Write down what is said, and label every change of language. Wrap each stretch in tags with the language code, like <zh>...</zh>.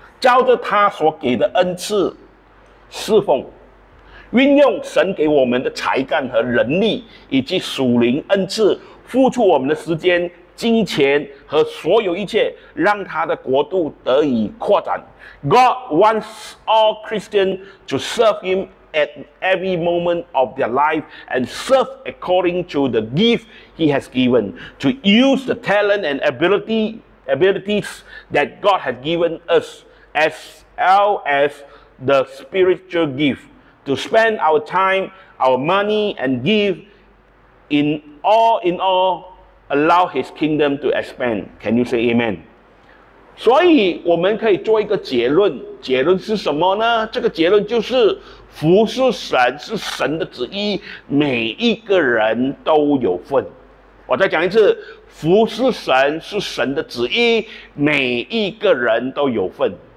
<zh>照着他所给的恩赐侍奉，运用神给我们的才干和能力以及属灵恩赐，付出我们的时间金钱和所有一切，让他的国度得以扩展。</zh> <en>God wants all Christians to serve him at every moment of their life and serve according to the gift he has given, to use the talent and abilities that God has given us, as well as the spiritual gift, to spend our time, our money and give in all,Allow his kingdom to expand. Can you say amen?</en> <zh>所以我们可以做一个结论，结论是什么呢？这个结论就是服侍神是神的旨意，每一个人都有份。我再讲一次，服侍神是神的旨意，每一个人都有份。</zh>